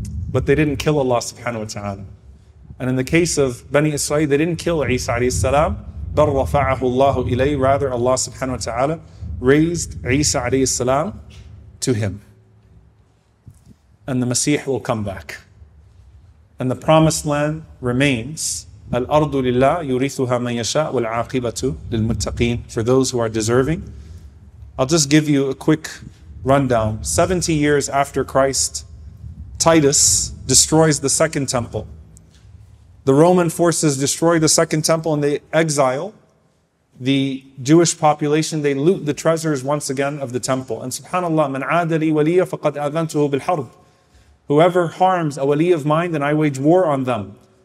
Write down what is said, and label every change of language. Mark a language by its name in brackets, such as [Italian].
[English] But they didn't kill Allah subhanahu wa ta'ala. And in the case of Bani Israel, they didn't kill Isa alayhi salam, [Arabic] بَرْ رَفَعَهُ اللَّهُ إِلَيْهِ, [English] rather Allah subhanahu wa ta'ala raised Isa alayhi salam to him. And the Masih will come back. And the promised land remains. [Arabic] الْأَرْضُ لِلَّهِ يُرِيثُهَا مَنْ يَشَاءُ وَالْعَاقِبَةُ لِلْمُتَّقِينَ, [English] for those who are deserving. I'll just give you a quick rundown. 70 years after Christ, Titus destroys the second temple. The Roman forces destroy the second temple and they exile the Jewish population. They loot the treasures once again of the temple. And subhanAllah, [Arabic] مَنْ عَادَ لِي وَلِيَّ فَقَدْ أَذَنْتُهُ بِالْحَرْبِ, [English] whoever harms a wali of mine, then I wage war on them.